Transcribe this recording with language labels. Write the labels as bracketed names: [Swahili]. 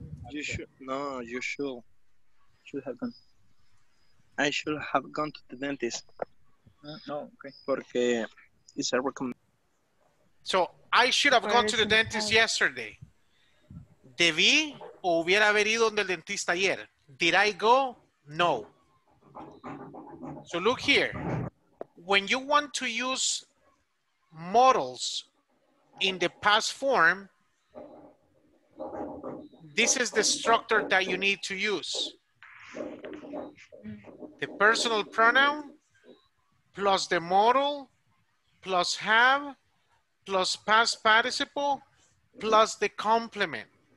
[English] You should, no, you should have gone. I should have gone to the dentist. No, okay. Porque it's a so I should have gone to the dentist yesterday. [Spanish] Debí o hubiera haber ido donde el dentista ayer. [English] Did I go? No. So look here. When you want to use modals in the past form, this is the structure that you need to use. The personal pronoun plus the modal plus have plus past participle plus the complement.